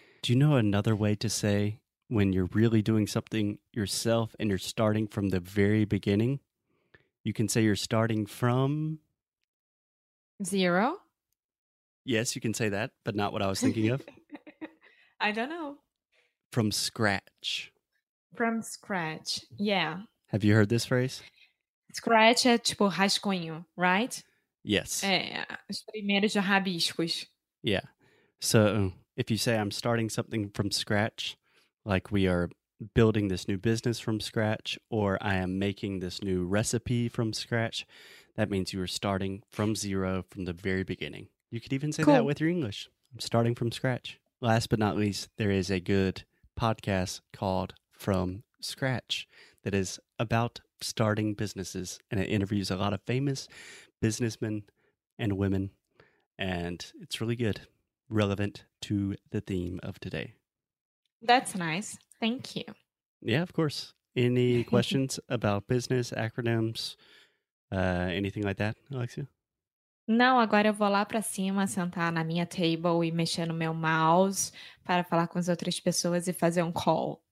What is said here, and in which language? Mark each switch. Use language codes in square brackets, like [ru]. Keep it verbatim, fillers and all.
[en] Do you know another way to say when you're really doing something yourself and you're starting from the very beginning? You can say you're starting from. Zero. Yes, you can say that, but not what I was thinking of. I don't know. From scratch. From scratch. Yeah. Have you heard this phrase? [pt] Scratch é tipo rascunho, right? [en] Yes. [pt] É, os primeiros rabiscos. [en] Yeah. So if you say I'm starting something from scratch, like we are building this new business from scratch, or I am making this new recipe from scratch, that means you are starting from zero from the very beginning. You could even say that Cool. with your English. I'm starting from scratch. Last but not least, there is a good podcast called From Scratch that is about starting businesses, and it interviews a lot of famous businessmen and women, and it's really good, relevant to the theme of today. That's nice. Thank you. Yeah, of course. Any questions about business, acronyms, uh, anything like that, Alexia? [pt] Não, agora eu vou lá pra cima, sentar na minha table e mexer no meu mouse para falar com as outras pessoas e fazer um call.